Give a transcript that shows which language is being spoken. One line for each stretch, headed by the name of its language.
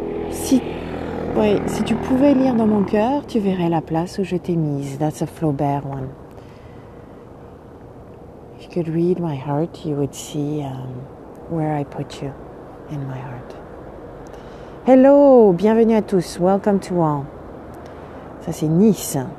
French: Si, ouais, si tu pouvais lire dans mon cœur, tu verrais la place où je t'ai mise.
English: That's a Flaubert one. If you could read my heart, you would see where I put you in my heart.
French: Hello, bienvenue à tous.
English: Welcome to all.
French: Ça, c'est Nice.